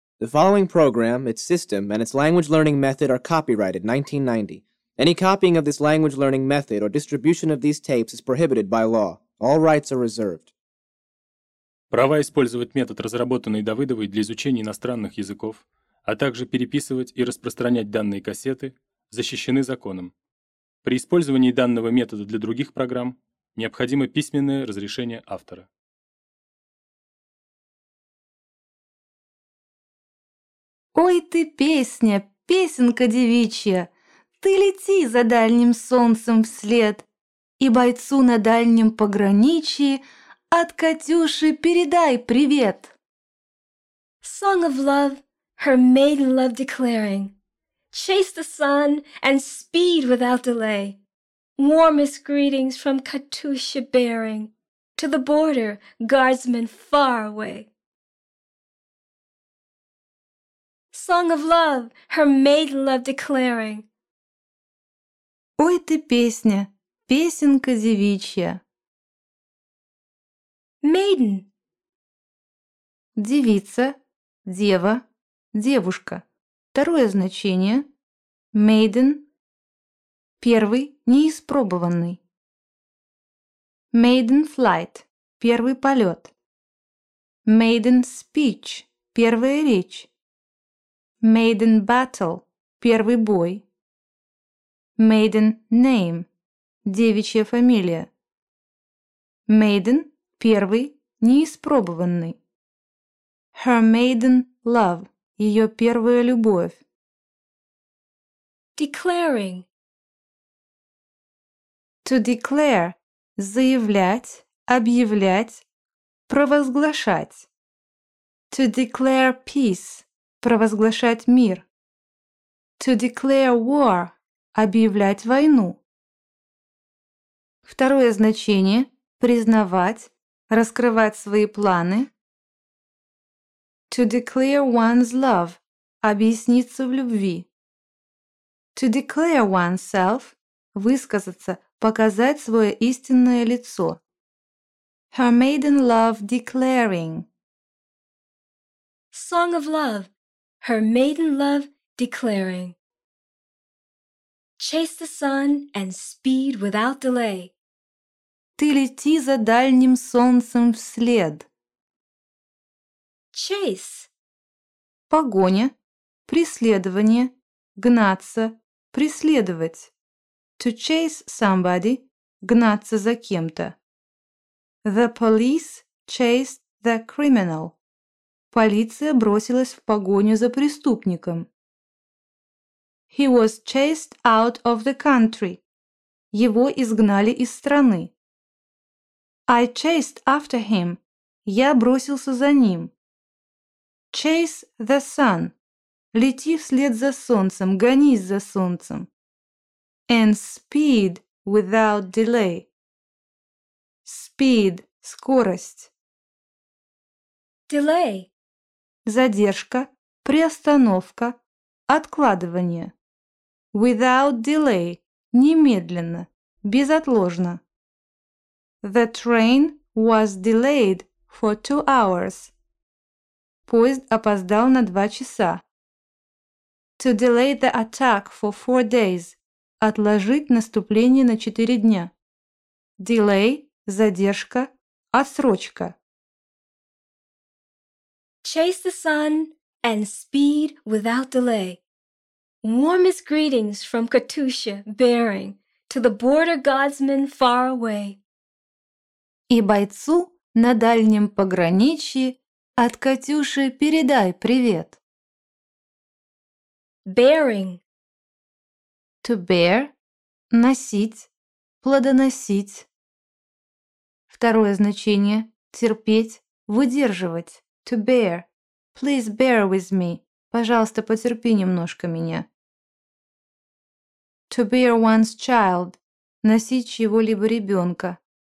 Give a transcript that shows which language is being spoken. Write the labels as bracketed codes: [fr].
[en] The following program, its system, and its language learning method are copyrighted 1990. Any copying of this language learning method or distribution of these tapes is prohibited by law. All rights are reserved. [ru] Права использовать метод, разработанный Давыдовой для изучения иностранных языков, а также переписывать и распространять данные кассеты, защищены законом. При использовании данного метода для других программ необходимо письменное разрешение автора. Ой ты, песня, песенка девичья, ты лети за дальним солнцем вслед, и бойцу на дальнем пограничье от Катюши передай привет. [en] Song of love, her maiden love declaring, chase the sun and speed without delay, warmest greetings from Katusha bearing to the border, guardsmen far away. Song of love, her maiden love declaring. [ru] Ой, ты песня, песенка девичья. [en] Maiden. [ru] Девица, дева, девушка. Второе значение. Maiden. Первый, неиспробованный. [en] Maiden flight. [ru] Первый полет. [en] Maiden speech. [ru] Первая речь. [en] Maiden battle [ru] – первый бой. [en] Maiden name [ru] – девичья фамилия. Maiden – первый, неиспробованный. [en] Her maiden love [ru] – ее первая любовь. [en] Declaring. To declare [ru] – заявлять, объявлять, провозглашать. [en] To declare peace. [ru] Провозглашать мир. [en] To declare war – [ru] объявлять войну. Второе значение – признавать, раскрывать свои планы. [en] To declare one's love – [ru] объясниться в любви. [en] To declare oneself [ru] – высказаться, показать свое истинное лицо. [en] Her maiden love declaring. Song of love. Her maiden love declaring. Chase the sun and speed without delay. [ru] Ты лети за дальним солнцем вслед. [en] Chase. [ru] Погоня, преследование, гнаться, преследовать. [en] To chase somebody, [ru] гнаться за кем-то. [en] The police chased the criminal. [ru] Полиция бросилась в погоню за преступником. [en] He was chased out of the country. [ru] Его изгнали из страны. [en] I chased after him. [ru] Я бросился за ним. [en] Chase the sun. [ru] Лети вслед за солнцем, гонись за солнцем. [en] And speed without delay. [ru] Speed – скорость. [en] Delay. [ru] Задержка, приостановка, откладывание. [en] Without delay, [ru] немедленно, безотложно. [en] The train was delayed for 2 hours. [ru] Поезд опоздал на 2 часа. [en] To delay the attack for 4 days. [ru] Отложить наступление на 4 дня. Delay, задержка, отсрочка. [en] Chase the sun and speed without delay. Warmest greetings from Katusha bearing to the border guardsmen far away. [ru] И бойцу на дальнем пограничье от Катюши передай привет. [en] Bearing. To bear [ru] – носить, плодоносить. Второе значение – терпеть, выдерживать. [en] To bear. Please bear with me. [ru] Пожалуйста, потерпи немножко меня. [en] To bear one's child. [ru] Носить чьего-либо ребенка.